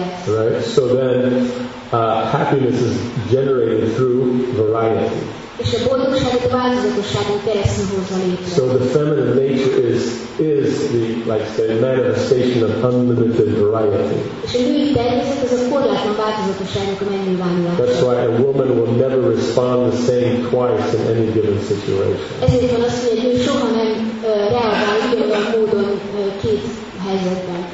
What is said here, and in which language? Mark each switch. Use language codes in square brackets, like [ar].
[en] Right? So then happiness is generated through variety. [hu] És a boldogságot változatosságon keresztül hozza létre. [en] So the feminine nature is the, like say, manifestation of unlimited variety. [hu] És a női természet az a korlátlan változatosságnak a megnyilvánulása. [en] That's why a woman will never respond the same twice in any given situation. [hu] Ezért van az, hogy egy nő soha nem reagál ugyanolyan módon két helyzetben.